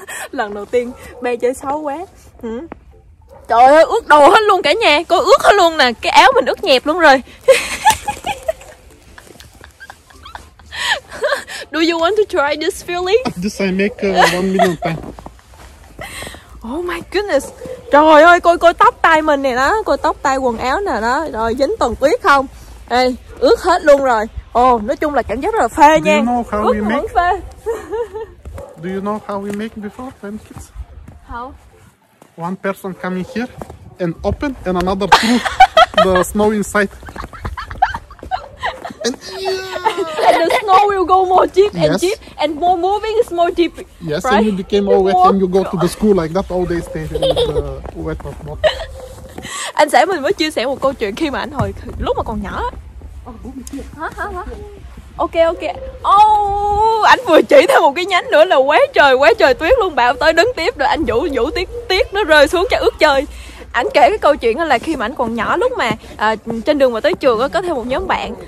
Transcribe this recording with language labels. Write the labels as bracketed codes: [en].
[vi] Lần đầu tiên bay chơi xấu quá. Trời ơi, ướt đồ hết luôn cả nhà. Cô ướt hết luôn nè, cái áo mình ướt nhẹp luôn rồi. [en] Do you want to try this feeling? This I make 1 million pounds. Oh my goodness. [vi] Trời ơi, coi tóc tai mình nè đó. Coi tóc tai quần áo nè đó. Rồi, dính toàn tuyết không? Ê, ướt hết luôn rồi. Ồ, nói chung là cảm giác rất là phê nha. [en] Do you know how [vi] ướt [en] we make? [vi] Phê. [en] Do you know how we make before pancakes? How? One person coming here and open and another through the snow inside. And the snow will go more deep and yes. Deep and more moving is more deep. Yes, right? And you became all wet and you go to the school like that all day stay in the wet or not. [vi] Anh sẽ mình mới chia sẻ một câu chuyện khi mà anh hồi lúc mà còn nhỏ. Ok. Oh, anh vừa chỉ thêm một cái nhánh nữa là quá trời tuyết luôn. Bảo tới đứng tiếp rồi anh vũ tuyết nó rơi xuống cho ướt chơi. Anh kể cái câu chuyện là khi mà anh còn nhỏ, lúc mà trên đường mà tới trường có thêm một nhóm bạn.